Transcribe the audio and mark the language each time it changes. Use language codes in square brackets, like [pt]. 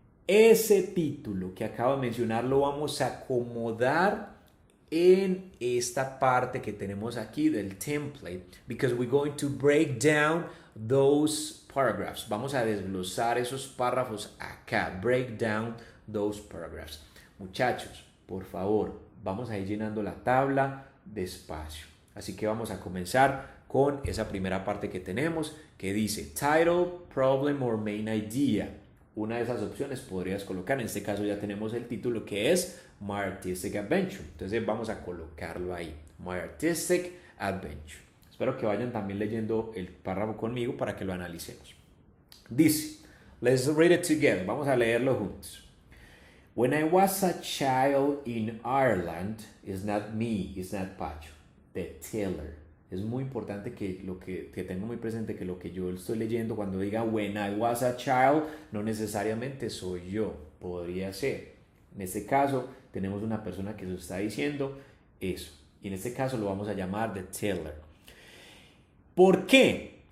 [es] Ese título que acabo de mencionar lo vamos a acomodar en esta parte que tenemos aquí del template [en] because we're going to break down those paragraphs. [es] Vamos a desglosar esos párrafos acá. [en] Break down those paragraphs. [es] Muchachos, por favor, vamos a ir llenando la tabla despacio. Así que vamos a comenzar con esa primera parte que tenemos que dice Title, Problem or Main Idea. Una de esas opciones podrías colocar. En este caso ya tenemos el título que es My Artistic Adventure. Entonces vamos a colocarlo ahí. My Artistic Adventure. Espero que vayan también leyendo el párrafo conmigo para que lo analicemos. Dice, [en] let's read it together. [es] Vamos a leerlo juntos. [en] When I was a child in Ireland, it's not me, it's not Pacho, the tailor. [es] Es muy importante que lo que tengo muy presente que lo que yo estoy leyendo cuando diga [en] when I was a child, [es] no necesariamente soy yo, podría ser. En este caso, tenemos una persona que se está diciendo eso. Y en este caso lo vamos a llamar the teller. ¿Por qué?